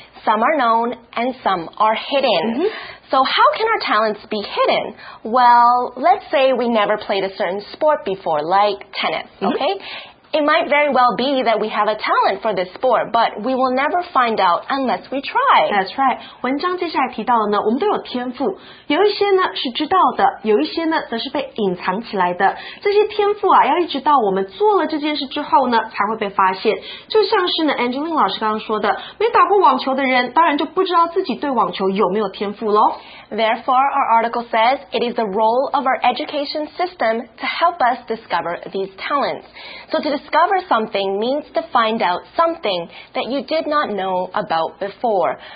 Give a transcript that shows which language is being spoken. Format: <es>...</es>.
<en>Some are known and some are hidden. Mm-hmm. So how can our talents be hidden? Well, let's say we never played a certain sport before, like tennis, mm-hmm. okay? It might very well be that we have a talent for this sport, but we will never find out unless we try. That's right.</en> <zh>文章接下来提到了呢，我们都有天赋，有一些呢是知道的，有一些呢则是被隐藏起来的。这些天赋啊，要一直到我们做了这件事之后呢，才会被发现。就像是呢 ，Angeline 老师刚刚说的，没打过网球的人，当然就不知道自己对网球有没有天赋咯。</zh> <en>Therefore, our article says it is the role of our education system to help us discover these talents. So to discover something means to find out something that you did not know about before.</en>